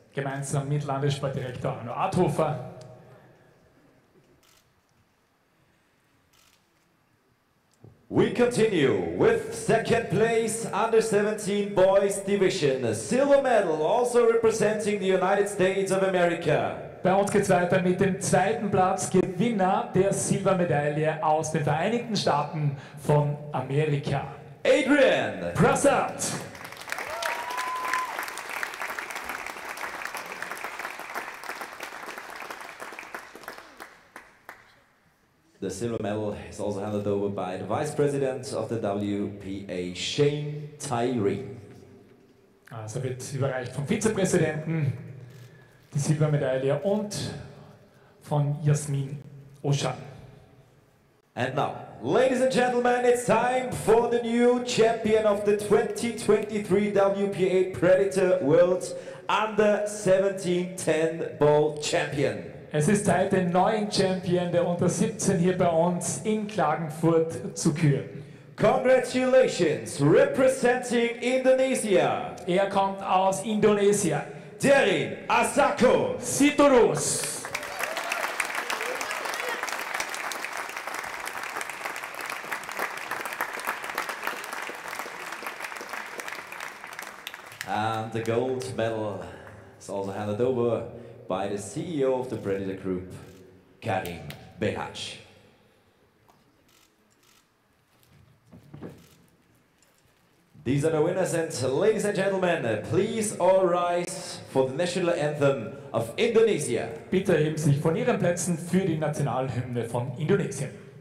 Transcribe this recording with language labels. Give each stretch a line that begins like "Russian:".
German: Gemeinsam mit Landessportdirektor Arno Arthofer.
English: We continue with second place under 17 boys division. A silver medal also representing the United States of America.
German: Bei uns geht's weiter mit dem zweiten Platz, Gewinner der Silbermedaille aus den Vereinigten Staaten von Amerika. Adrian Prasad.
English: The silver medal is also handed over by the Vice President of the WPA, Shane Tyree.
German: Also wird überreicht vom Vizepräsidenten. Die Silbermedaille und von Jasmin Oshan.
English: And now, ladies and gentlemen, it's time for the new champion of the 2023 WPA Predator World Under 17 10 Ball Champion.
German: Es ist Zeit, den neuen Champion der Unter 17 hier bei uns in Klagenfurt zu küren.
English: Congratulations, representing Indonesia.
German: Er kommt aus Indonesien. Derin Asako Sitorus.
English: And the gold medal is also handed over by the CEO of the Predator Group, Karim Behaj. These are the winners, and ladies and gentlemen, please all rise for the national anthem of Indonesia.
German: Bitte heben sich von Ihren Plätzen für die Nationalhymne von Indonesien.